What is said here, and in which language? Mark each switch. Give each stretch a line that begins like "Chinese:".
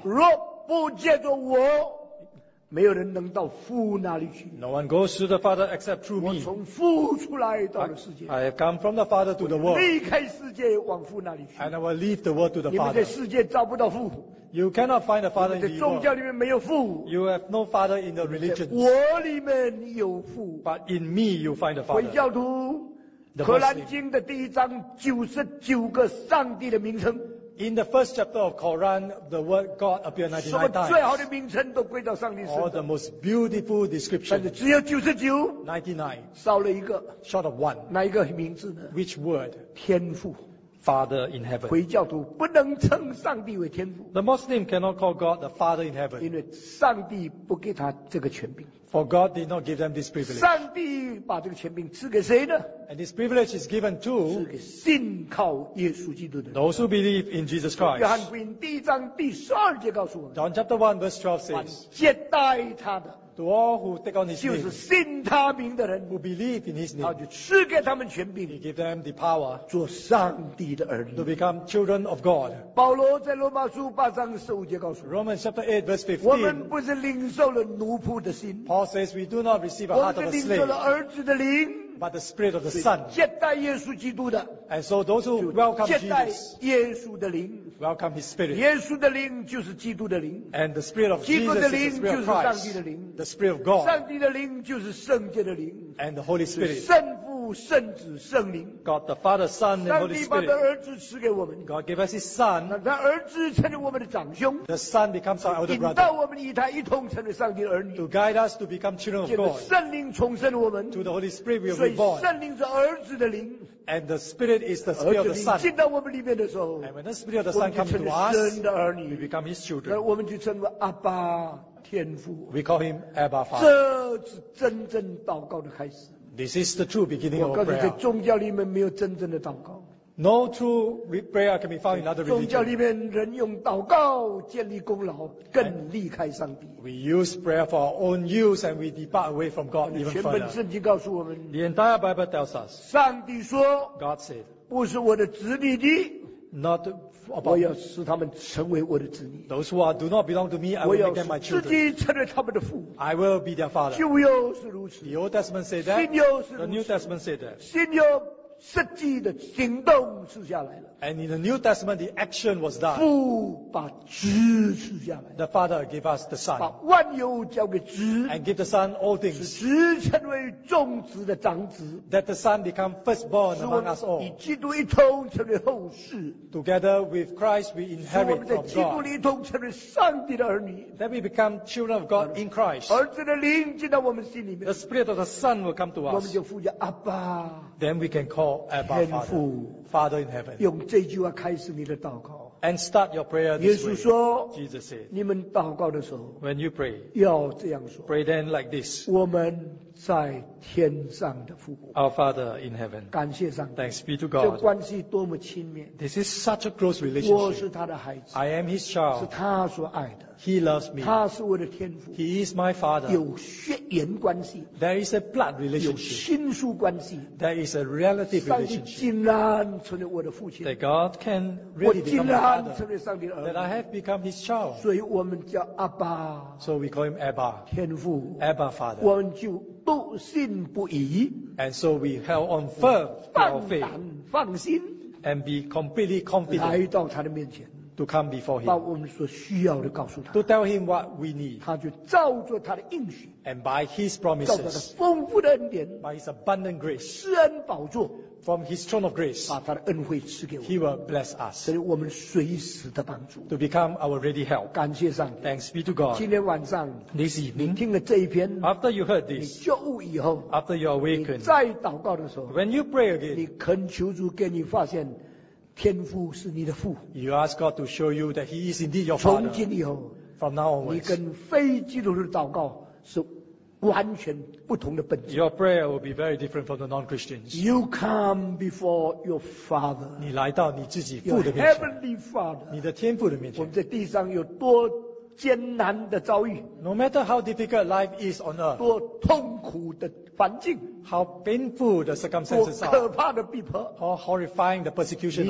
Chinese: 若不借着我，没有人能到父那里去。
English: No one goes to the Father except through me.
Chinese: 我从父出来到了世界。
English: I have come from the Father to the world.
Chinese: 离开世界往父那里去。
English: And I will leave the world to the Father.
Chinese: 你们在世界找不到父。
English: You cannot find a father in the world.
Chinese: 宗教里面没有父。
English: You have no father in the religions.
Chinese: 我里面有父。
English: But in me you find a father.
Chinese: 回教徒。荷兰经的第一章九十九个上帝的名称。
English: In the first chapter of Quran, the word God appeared 99 times.
Chinese: 什么最好的名称都归到上帝身上。
English: All the most beautiful description.
Chinese: 但是只有九十九。 99。少了一个。
English: Short of one.
Chinese: 哪一个名字呢
English: ？Which word?
Chinese: 天父。
English: Father in heaven.
Chinese: 回教徒不能称上帝为天父。
English: The Muslim cannot call God the Father in heaven.
Chinese: 因为上帝不给他这个权柄。
English: For God did not give them this privilege.
Chinese: 上帝把这个权柄赐给谁呢
English: ？And this privilege is given to
Chinese: 赐给信靠耶稣基督的人。
English: Those who believe in Jesus Christ.
Chinese: 约翰福音第一章第十二节告诉我们。
English: John chapter 1 verse 12 says.
Chinese: 接待他的。
English: To all who take on his name,
Chinese: 就是信他名的人
English: who believe in his name,
Chinese: 他就赐给他们权柄
English: he give them the power
Chinese: 做上帝的儿女
English: to become children of God.
Chinese: 保罗在罗马书八章十五节告诉
English: Romans chapter 8 verse 15
Chinese: 我们不是领受了奴仆的心
English: Paul says we do not receive a heart of a slave
Chinese: 我们是领受了儿子的灵
English: but the spirit of the son
Chinese: 接待耶稣基督的
English: and so those who welcome Jesus
Chinese: 接待耶稣的灵
English: Welcome His Spirit.
Chinese: 耶稣的灵就是基督的灵。
English: And the Spirit of Jesus is the Spirit of Christ.
Chinese: 基督的灵就是上帝的灵。
English: The Spirit of God.
Chinese: 上帝的灵就是圣洁的灵。
English: And the Holy Spirit.
Chinese: 圣父、圣子、圣灵。
English: God the Father, Son, and Holy Spirit.
Chinese: 上帝把他儿子赐给我们。
English: God gave us His Son.
Chinese: 那儿子成了我们的长兄。
English: The Son becomes our elder brother.
Chinese: 引导我们与他一同成了上帝的儿女。
English: To guide us to become children of God.
Chinese: 借着圣灵重生我们。
English: To the Holy Spirit we are reborn.
Chinese: 所以圣灵是儿子的灵。
English: And the Spirit is the Spirit of the Son.
Chinese: 进到我们里面的时候。
English: And when the Spirit of the Son comes to us, we become His children.
Chinese: 我们就称为阿爸天父。
English: We call Him Abba Father.
Chinese: 这是真正祷告的开始。
English: This is the true beginning of prayer.
Chinese: 我告诉你，在宗教里面没有真正的祷告。
English: No true prayer can be found in other religions.
Chinese: 宗教里面人用祷告建立功劳，更离开上帝。
English: We use prayer for our own use, and we depart away from God even further.
Chinese: 全本圣经告诉我们。
English: The entire Bible tells us.
Chinese: 上帝说。
English: God said.
Chinese: 不是我的子女的。
English: Not about.
Chinese: 我要使他们成为我的子女。
English: Those who are do not belong to me, I will make them my children.
Chinese: 我要自己成为他们的父。
English: I will be their father.
Chinese: 旧约是如此。
English: The Old Testament said that.
Chinese: 新约是如此。
English: The New Testament said that.
Chinese: 新约。实际的行动赐下来了。
English: And in the New Testament, the action was done.
Chinese: 父把子赐下来。
English: The Father gave us the Son.
Chinese: 把万有交给子。
English: And give the Son all things.
Chinese: 使子成为众子的长子。
English: That the Son become firstborn among us all.
Chinese: 与基督一同成为后世。
English: Together with Christ, we inherit from God.
Chinese: 使我们在基督里一同成为上帝的儿女。
English: That we become children of God in Christ.
Chinese: 儿子的灵进到我们心里面。
English: The Spirit of the Son will come to us.
Chinese: 我们就呼叫阿爸。
English: Then we can call Abba Father, Father in heaven.
Chinese: 用这句话开始你的祷告。
English: And start your prayer this way.
Chinese: 耶稣说
English: ，Jesus said,
Chinese: 你们祷告的时候
English: ，When you pray,
Chinese: 要这样说
English: ，Pray then like this.
Chinese: 我们在天上的父
English: ，Our Father in heaven.
Chinese: 感谢上帝
English: ，Thanks be to God.
Chinese: 这关系多么亲密
English: ！This is such a close relationship.
Chinese: 我是他的孩子
English: ，I am his child.
Chinese: 是他所爱的
English: ，He loves me.
Chinese: 他是我的天父
English: ，He is my father.
Chinese: 有血缘关系
English: ，There is a blood relationship.
Chinese: 有亲疏关系
English: ，There is a relative relationship.
Chinese: 上帝竟然成了我的父亲
English: ，That God can really become my father. That I have become his child.
Chinese: 所以我们叫阿爸。
English: So we call him Abba.
Chinese: 天父。
English: Abba Father.
Chinese: 我们就笃信不疑。
English: And so we held on firm to our faith.
Chinese: 放胆放心。
English: And be completely confident.
Chinese: 来到他的面前。
English: To come before him.
Chinese: 把我们所需要的告诉他。
English: To tell him what we need.
Chinese: 他就照着他的应许。
English: And by his promises.
Chinese: 照着他丰富的恩典。
English: By his abundant grace.
Chinese: 施恩宝座。
English: From His throne of grace,
Chinese: 把他的恩惠赐给我们
English: He will bless us.
Chinese: 所以我们随时的帮助
English: To become our ready help.
Chinese: 感谢上帝
English: Thanks be to God.
Chinese: 今天晚上
English: This evening,
Chinese: 你听了这一篇
English: After you heard this,
Chinese: 你觉悟以后
English: After you awaken,
Chinese: 你再祷告的时候
English: When you pray again,
Chinese: 你恳求主给你发现天父是你的父
English: You ask God to show you that He is indeed your Father.
Chinese: 从今以后
English: From now onwards,
Chinese: 你跟非基督徒的祷告是完全不同的本质。
English: Your prayer will be very different from the non-Christians. You come before your Father.
Chinese: 你来到你自己父的面前。
English: Your heavenly Father.
Chinese: 你的天父的面前。我们在地上有多艰难的遭遇。
English: No matter how difficult life is on earth.
Chinese: 多痛苦的环境。
English: How painful the circumstances are.
Chinese: 多可怕的逼迫。
English: How horrifying the persecution